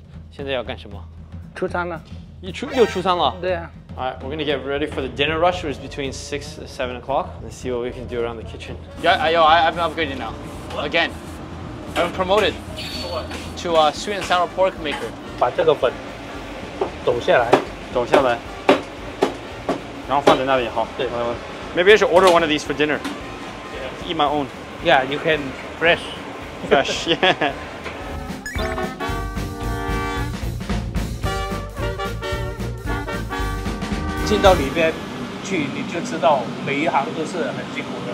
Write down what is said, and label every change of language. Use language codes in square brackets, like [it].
[zh] 现在要干什么？出餐了。又出餐了？对啊。 [en] All right, we're gonna get ready for the dinner rush, which is between 6 and 7 o'clock. Let's see what we can do around the kitchen. Yeah, yo, I'm upgrading now. What? Again, I've been promoted. For what? To a sweet and sour pork maker. [zh] 把这个粉抖下来，然后放在那里，好。对。 [en] Maybe I should order one of these for dinner. Yeah. Eat my own. Yeah, you can fresh. Fresh, yeah. Into the inside, you will know that every line is very difficult.